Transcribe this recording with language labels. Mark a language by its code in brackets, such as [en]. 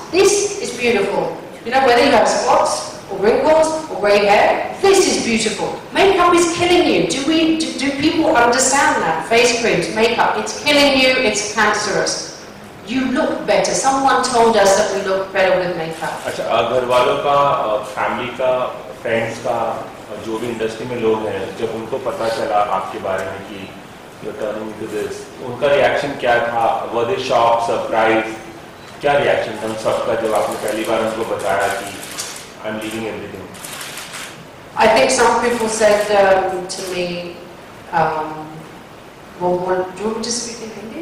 [en] This is beautiful. You know, whether you have spots or wrinkles or grey hair, this is beautiful. Makeup is killing you. Do people understand that? Face creams, makeup, it's killing you, it's cancerous. You look better. Someone told us that we look better with makeup. [hi] अच्छा घर वालों का, family का, friends का, जो भी industry में लोग हैं, जब उनको पता चला आपके बारे में कि [en] you're turning into this, [hi] उनका reaction क्या था? [en] Were they shocked, surprised? [hi] क्या reaction था सबका जब आपने पहली बार उनको बताया कि [en] I'm leaving everything? I think some people said to me, do you want me to speak in English?